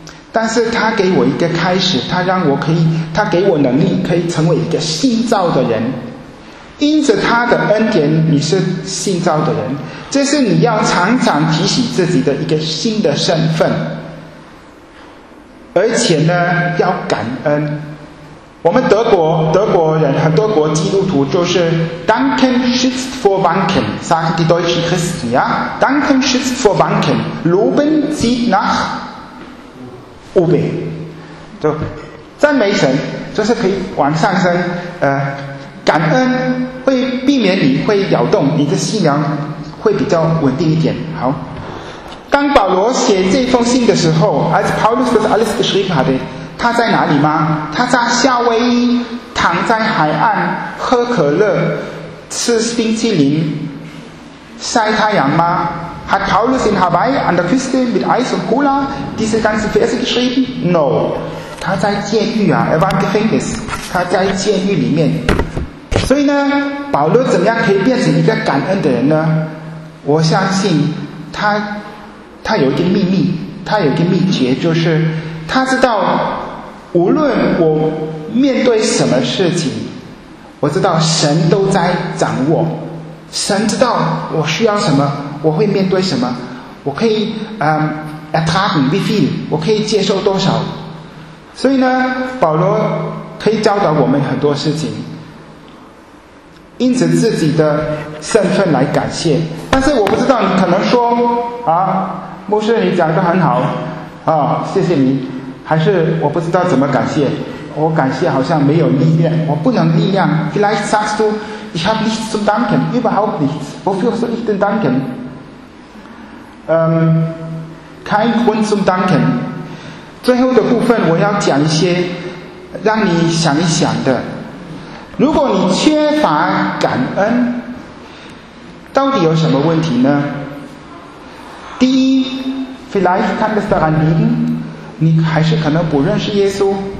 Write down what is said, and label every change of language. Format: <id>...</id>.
<zh>但是他给我一个开始，他让我可以，他给我能力，可以成为一个新造的人。因着他的恩典，你是新造的人，这是你要常常提醒自己的一个新的身份。而且呢，要感恩。我们德国人，很多国基督徒就是</zh> <de>Danken schützt vor Wanken, sagen die deutschen Christen, ja? Danken schützt vor Wanken, loben zieht nach oben.</de> <zh>就赞美神，就是可以往上升，感恩会避免你会摇动，你的信仰会比较稳定一点。好，当保罗写这封信的时候 ，</zh> <de>als Paulus das alles geschrieben hatte,</de> <zh>他在哪里吗？他在夏威夷，躺在海岸喝可乐，吃冰淇淋，晒太阳吗 ？</zh> <de>Hat Paulus in Hawaii an der Küste mit Eis und Cola diese ganzen Verse geschrieben?</de> <zh>No, 他在监狱啊 ，</zh> <de>er war im Gefängnis,</de> <zh>他在监狱里面。所以呢，保罗怎么样可以变成一个感恩的人呢？我相信他有一个秘密，他有一个秘诀，就是他知道无论我面对什么事情，我知道神都在掌握，神知道我需要什么，我会面对什么，我可以</zh> <de>ertragen wie viel,</de> <zh>我可以接受多少。所以呢，保罗可以教导我们很多事情，因此自己的身份来感谢。但是我不知道你可能说啊，牧师你讲得很好啊，谢谢你，还是我不知道怎么感谢，我感谢好像没有力量，我不能力量。</zh> <de>Vielleicht sagst du ich habe nichts zum danken, überhaupt nichts, wofür soll ich denn danken? Kein Grund zum danken.</de> <zh>最后的部分我要讲一些让你想一想的，如果你缺乏感恩，到底有什么问题呢？第一 ，</zh> <de>vielleicht kann es daran liegen，</de> <zh>你还是可能不认识耶稣。</zh>